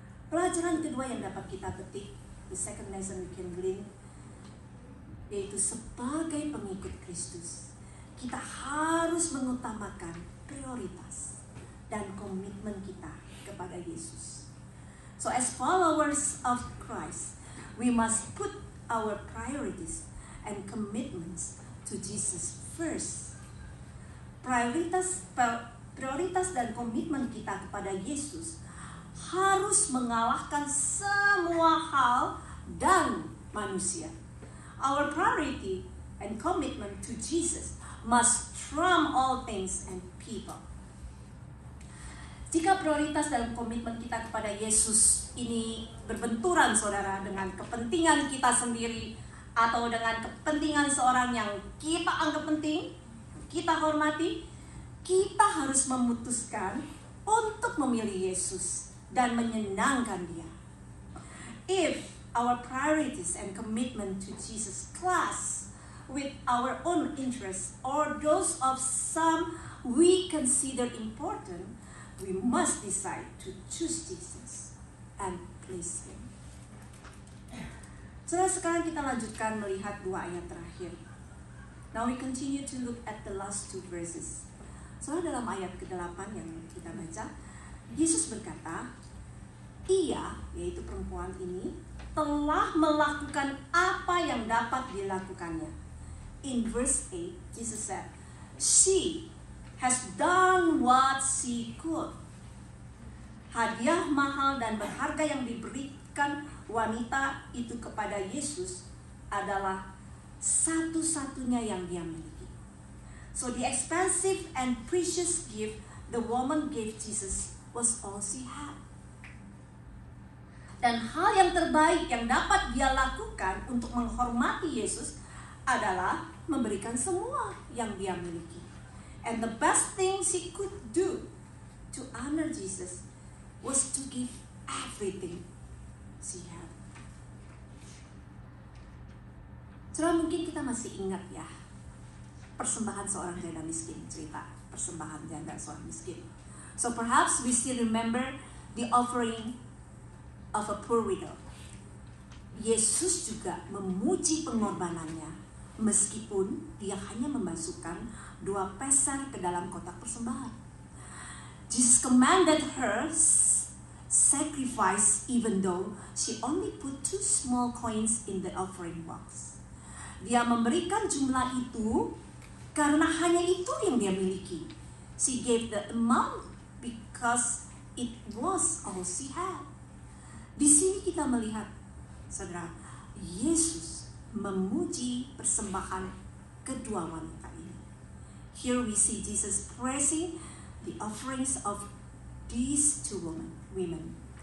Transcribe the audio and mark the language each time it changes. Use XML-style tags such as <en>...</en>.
<id>Pelajaran kedua yang dapat kita petik,</id> <en>the second lesson we can glean,</en> <id>yaitu sebagai pengikut Kristus, kita harus mengutamakan prioritas dan komitmen kita kepada Yesus.</id> <en>So as followers of Christ, we must put our priorities and commitments to Jesus first.</en> <id>Prioritas dan komitmen kita kepada Yesus harus mengalahkan semua hal dan manusia.</id> <en>Our priority and commitment to Jesus must trump all things and people.</en> <id>Jika prioritas dalam komitmen kita kepada Yesus ini berbenturan, saudara, dengan kepentingan kita sendiri atau dengan kepentingan seorang yang kita anggap penting, kita hormati, kita harus memutuskan untuk memilih Yesus dan menyenangkan dia.</id> <en>If our priorities and commitment to Jesus clash with our own interests or those of some we consider important, we must decide to choose Jesus and please him.</en> <id>Saudara, sekarang kita lanjutkan melihat dua ayat terakhir.</id> <en>Now we continue to look at the last two verses.</en> <id>Saudara, dalam ayat ke-8 yang kita baca, Yesus berkata, ia, yaitu perempuan ini, telah melakukan apa yang dapat dilakukannya.</id> <en>In verse 8, Jesus said, she has done what she could.</en> <id>Hadiah mahal dan berharga yang diberikan wanita itu kepada Yesus adalah satu-satunya yang dia miliki.</id> <en>So the expensive and precious gift the woman gave Jesus was all she had.</en> <id>Dan hal yang terbaik yang dapat dia lakukan untuk menghormati Yesus adalah memberikan semua yang dia miliki.</id> <en>And the best thing she could do to honor Jesus was to give everything she had.</en> <id>Coba mungkin kita masih ingat ya, persembahan seorang janda miskin, cerita persembahan janda seorang miskin.</id> <en>So perhaps we still remember the offering of a poor widow.</en> <id>Yesus juga memuji pengorbanannya, meskipun dia hanya memasukkan 2 peser ke dalam kotak persembahan.</id> <en>Jesus commanded her sacrifice even though she only put 2 small coins in the offering box.</en> <id>Dia memberikan jumlah itu karena hanya itu yang dia miliki.</id> <en>She gave the amount because it was all she had.</en> <id>Di sini kita melihat, saudara, Yesus memuji persembahan kedua wanita ini.</id> <en>Here we see Jesus praising the offerings of these two women.</en>